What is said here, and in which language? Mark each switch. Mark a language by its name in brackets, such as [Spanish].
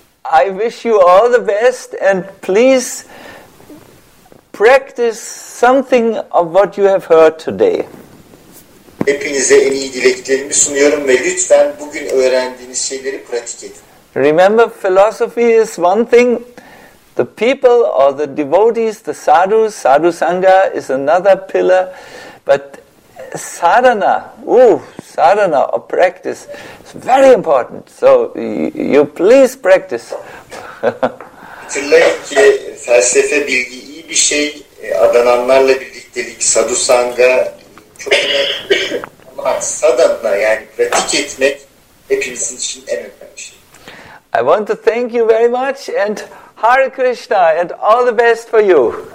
[English] I wish you all the best, and please practice something of what you have heard today. [Turkish] Hepinize en iyi dileklerimi sunuyorum ve lütfen bugün öğrendiğiniz şeyleri pratik edin. [English] Remember, philosophy is one thing. The people or the devotees, the sadhus, sadhu sangha is another pillar. But sadhana, sadhana or practice is very important. So you please practice. [Turkish] Hatırlayın ki felsefe bilgi iyi bir şey. Adananlarla birliktelik, sadhu sangha çok önemli. Ama sadhana, yani pratik etmek, hepimizin için en önemli şey. [English] I want to thank you very much and Hare Krishna and all the best for you.